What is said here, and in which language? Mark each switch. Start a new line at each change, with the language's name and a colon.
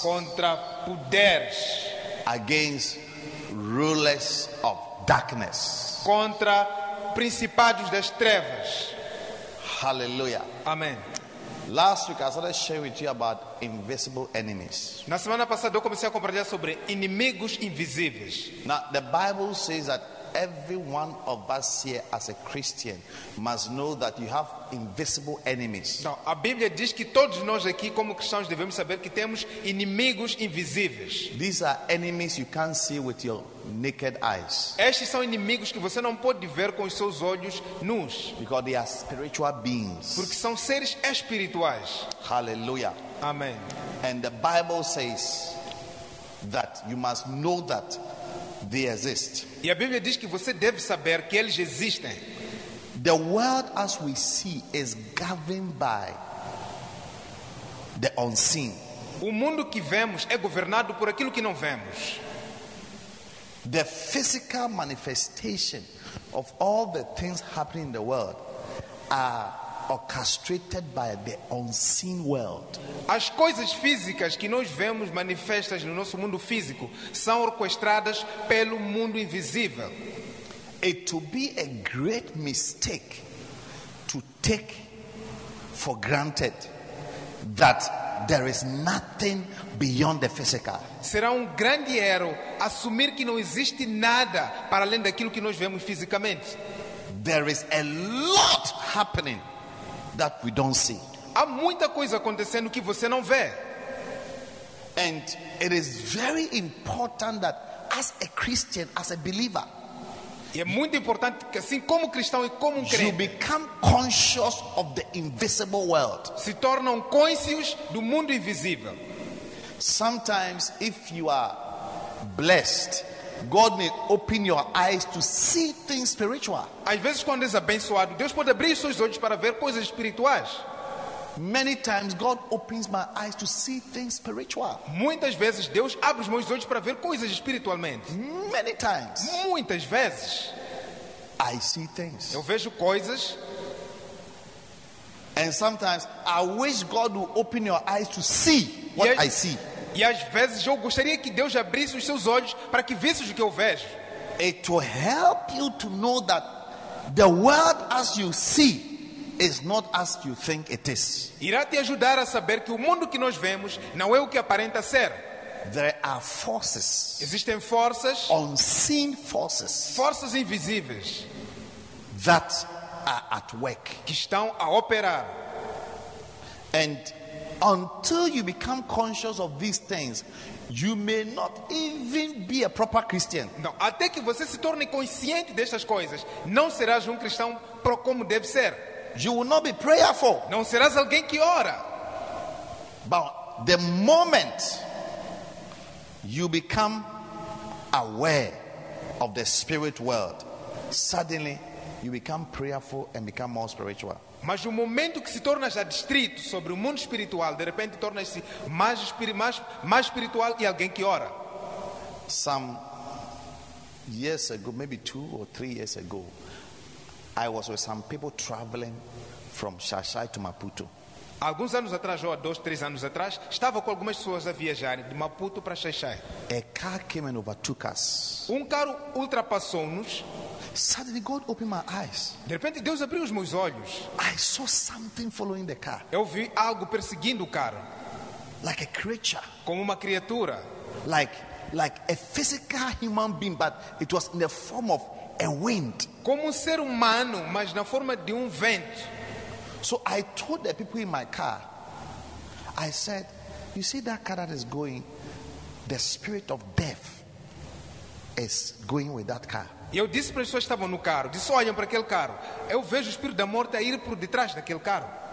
Portuguese: Contra poderes.
English: Against rulers of darkness.
Portuguese: Contra principados das trevas.
English: Hallelujah.
Portuguese: Amém.
English: Last week I started sharing with you about invisible enemies.
Portuguese: Na semana passada eu comecei a compartilhar sobre inimigos invisíveis.
English: Now the Bible says that every one of us here as a Christian must know that you have invisible enemies.
Portuguese: Não, a Bíblia diz que todos nós aqui como cristãos devemos saber que temos inimigos invisíveis.
English: These are enemies you can't see with your naked eyes.
Portuguese: Estes são inimigos que você não pode ver com os seus olhos nus.
English: Because they are spiritual beings.
Portuguese: Porque são seres espirituais.
English: Hallelujah.
Portuguese: Amen.
English: And the Bible says that you must know that they exist.
Portuguese: E a Bíblia diz que você deve saber que eles existem.
English: The world as we see is governed by the unseen.
Portuguese: O mundo que vemos é governado por aquilo que não vemos.
English: The physical manifestation of all the things happening in the world are orchestrated by the unseen world.
Portuguese: As coisas físicas que nós vemos manifestas no nosso mundo físico são orquestradas pelo mundo invisível.
English: It would be a great mistake to take for granted that there is nothing beyond the physical.
Portuguese: Será um grande erro assumir que não existe nada para além daquilo que nós vemos fisicamente.
English: There is a lot happening that we don't see.
Portuguese: Há muita coisa acontecendo que você não vê.
English: And it is very important that as a Christian, as a believer,
Portuguese: e é muito importante que assim como cristão e como crente,
English: you become conscious of the invisible world.
Portuguese: Se tornam conscientes do mundo invisível.
English: Sometimes if you are blessed, God may open your eyes to see things spiritual.
Portuguese: Às vezes quando és abençoado, Deus pode abrir os seus olhos para ver coisas espirituais.
English: Many times God opens my eyes to see things spiritual.
Portuguese: Muitas vezes Deus abre os meus olhos para ver coisas espiritualmente.
English: Many times.
Portuguese: Muitas vezes.
English: I see things.
Portuguese: Eu vejo coisas.
English: And sometimes I wish God would open your eyes to see what I see.
Portuguese: E às vezes eu gostaria que Deus abrisse os seus olhos para que visse o que eu vejo.
English: It will help you to know that the world as you see is not as you think it is.
Portuguese: Irá te ajudar a saber que o mundo que nós vemos não é o que aparenta ser.
English: There are forces.
Portuguese: Existem forças.
English: Unseen forces.
Portuguese: Forças invisíveis.
English: That are at work.
Portuguese: Que estão a operar.
English: And until you become conscious of these things, you may not even be a proper Christian.
Portuguese: Não, até que você se torne consciente destas coisas, não serás cristão pro como deve ser.
English: You will not be prayerful.
Portuguese: Não serás alguém que ora.
English: But the moment you become aware of the spirit world, suddenly you become prayerful and become more spiritual.
Portuguese: Mas o momento que se tornas adstrito sobre o mundo espiritual, de repente tornas-se mais espiritual e alguém que ora.
English: Some years ago, maybe 2 or 3 years ago, I was with some people traveling from Shashai to Maputo.
Portuguese: Alguns anos atrás, ou 2, 3 anos atrás, estava com algumas pessoas a viajar de Maputo para Shashai.
English: A car came and overtook us.
Portuguese: Um carro ultrapassou-nos.
English: Suddenly God opened my eyes.
Portuguese: De repente Deus abriu os meus olhos.
English: I saw something following the car.
Portuguese: Eu vi algo perseguindo o carro.
English: Like a creature.
Portuguese: Como uma criatura.
English: Like a physical human being, but it was in the form of a wind.
Portuguese: Como um ser humano, mas na forma de vento.
English: So I told the people in my car, I said, you see that car that is going, the spirit of death is going with that car.
Portuguese: E eu disse para as pessoas que estavam no carro, disse, olhem para aquele carro, eu vejo o espírito da morte a ir por detrás daquele carro.